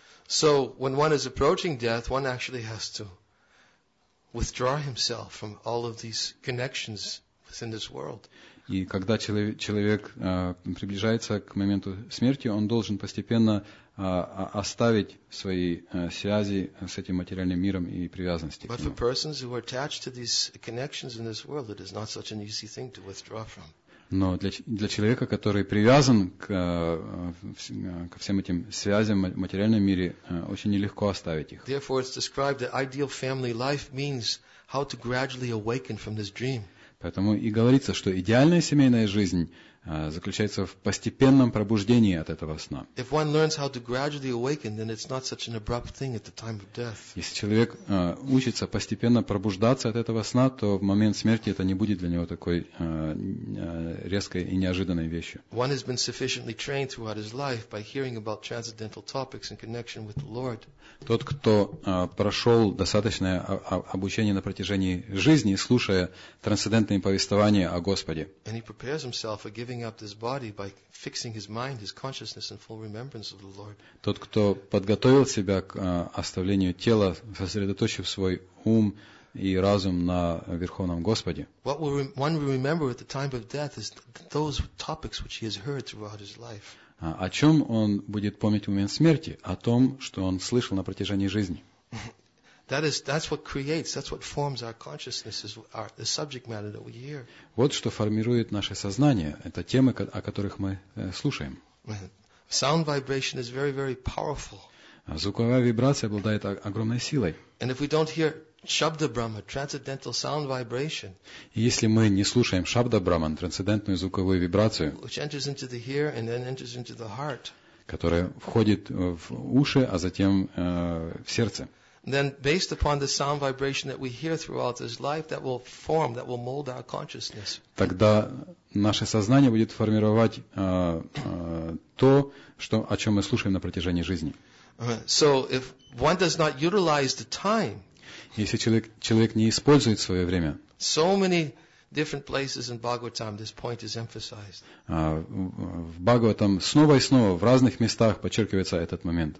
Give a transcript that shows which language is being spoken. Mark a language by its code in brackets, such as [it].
[en] So when one is approaching death, one actually has to withdraw himself from all of these connections within this world. [ru] И когда человек приближается к моменту смерти, он должен постепенно оставить свои связи с этим материальным миром и привязанности. [en] But for persons who are attached to these connections in this world, it is not such an easy thing to withdraw from. [ru] Но для человека, который привязан ко всем этим связям в материальном мире, очень нелегко оставить их. [en] Therefore, it's described that ideal family life means how to gradually awaken from this dream. [ru] Поэтому и говорится, что идеальная семейная жизнь заключается в постепенном пробуждении от этого сна. Если человек учится постепенно пробуждаться от этого сна, то в момент смерти это не будет для него такой резкой и неожиданной вещью. [en] One has been sufficiently trained throughout his life by hearing about transcendental topics in connection with the Lord. [ru] Тот, кто прошел достаточное обучение на протяжении жизни, слушая трансцендентные повествования о Господе. [en] And he prepares himself for giving up this body by fixing his mind, his consciousness, and full remembrance of the Lord. [ru] Тот, кто подготовил себя к оставлению тела, сосредоточив свой ум и разум на Верховном Господе. [en] What one will remember at the time of death is those topics which he has heard throughout his life. [ru] О чем он будет помнить в момент смерти? О том, что он слышал на протяжении жизни. [en] That's what creates, that's what forms our consciousness, the subject matter that we hear. [ru] Вот что формирует наше сознание, это темы, о которых мы слушаем. [en] Sound vibration is very, very powerful. [ru] Звуковая вибрация обладает огромной силой. [en] And if we don't hear Shabda Brahma, transcendental sound vibration. [ru] Если мы не слушаем Шабда Брахман, трансцендентную звуковую вибрацию, [en] which enters into the ear and then enters into the heart, [ru] которая входит в уши, а затем в сердце. [en] Then based upon the sound vibration that we hear throughout this life, that will form, that will mold our consciousness. [ru] Тогда наше сознание будет формировать то, что, о чем мы слушаем на протяжении жизни. [en] So if one does not utilize the time, [ru] если человек не использует свое время, [en] so many different places in Bhagavatam this point is emphasized. [ru] В Бхагаватам снова и снова в разных местах подчеркивается этот момент.